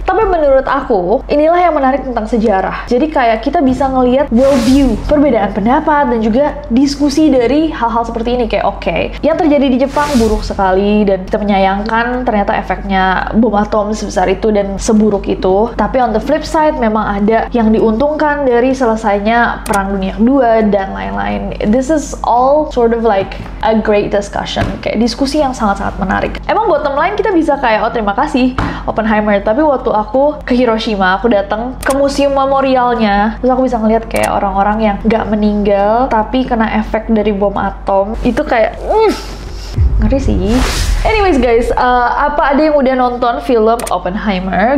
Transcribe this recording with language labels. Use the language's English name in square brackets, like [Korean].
[Indonesian] Tapi menurut aku, inilah yang menarik tentang sejarah. Jadi kayak kita bisa ngelihat [English] world view, [Indonesian] perbedaan pendapat, dan juga diskusi dari hal-hal seperti ini. Kayak okay, yang terjadi di Jepang buruk sekali, dan kita menyayangkan ternyata efeknya bom atom sebesar itu dan seburuk itu. Tapi [English] on the flip side, [Indonesian] memang ada yang diuntungkan dari selesainya Perang Dunia Kedua dan lain-lain. [English] This is all sort of like a great discussion. [Indonesian] Kayak diskusi yang sangat-sangat menarik. Emang [English] bottom line [Indonesian] kita bisa kayak, oh terima kasih Oppenheimer. Tapi waktu aku ke Hiroshima, aku datang ke museum memorialnya, terus aku bisa ngeliat kayak orang-orang yang gak meninggal tapi kena efek dari bom atom. Itu kayak, ngeri sih. [English] Anyways guys, [Indonesian] apa ada yang udah nonton film Oppenheimer?